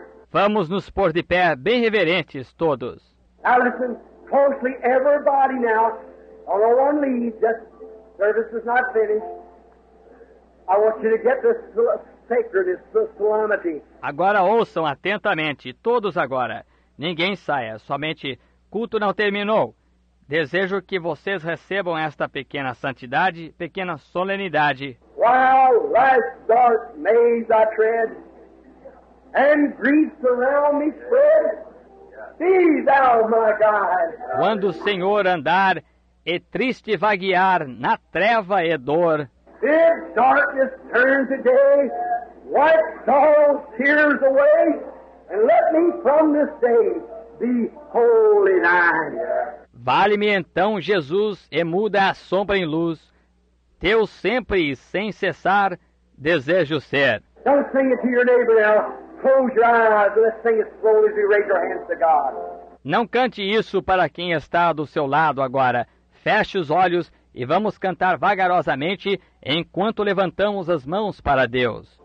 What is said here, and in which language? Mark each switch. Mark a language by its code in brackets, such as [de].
[pt] Vamos nos pôr de pé, bem reverentes todos. [en] Now listen closely, everybody now. On one knee, just service is not finished. I want you to get this sacred, this solemnity. [pt] Agora ouçam atentamente, todos agora. Ninguém saia, somente culto não terminou. Desejo que vocês recebam esta pequena santidade, pequena solenidade. [en] While life's dark maze I tread, and grief around me spread, be thou my guide. [pt] Quando o Senhor andar e triste vaguear na treva e dor, [en] if darkness turns to day, wipe all tears away, and let me from this day be holy thine. [pt] Vale-me então, Jesus, e muda a sombra em luz. Teu sempre e sem cessar desejo ser. [en] Don't sing it to your neighbor now. Close your eyes. Let's sing it slowly as we raise our hands to God. [pt] Não cante isso para quem está do seu lado agora. Feche os olhos e vamos cantar vagarosamente enquanto levantamos as mãos para Deus.